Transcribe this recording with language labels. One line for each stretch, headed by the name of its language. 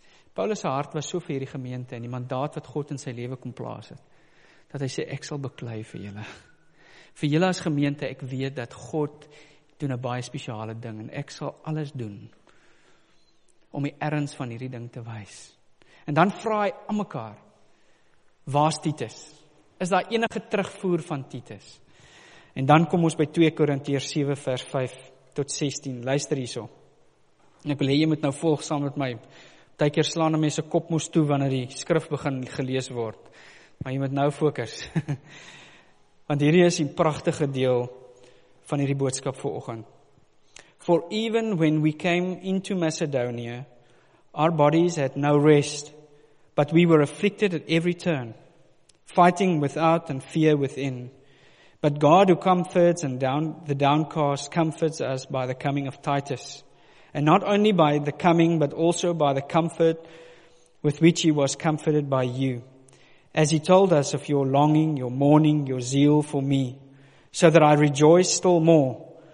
Afrikaans: Paulus se hart was so vir hierdie gemeente en die mandaat wat God in sy lewe kom plaas het, dat hy sê, ek sal beklei vir julle. Vir julle as gemeente, ek weet dat God doen 'n baie spesiale ding en ek sal alles doen om die erns van hierdie ding te wys. En dan vra hy aan mekaar, waar is Titus? Is daar enige terugvoer van Titus? En dan kom ons by 2 Korintiërs 7 vers 5. Tot 16, luister hierso. En ek wil hê jy moet nou volg saam met my. Baie keer slaan 'n mens se kop moes toe wanneer die skrif begin gelees word. Maar jy moet nou fokus. Want hierdie is 'n pragtige deel van hierdie boodskap vir oggend.
English: For even when we came into Macedonia, our bodies had no rest, but we were afflicted at every turn, fighting without and fear within. But God, who comforts and the downcast, comforts us by the coming of Titus, and not only by the coming, but also by the comfort with which he was comforted by you, as he told us of your longing, your mourning, your zeal for me, so that I rejoice still more.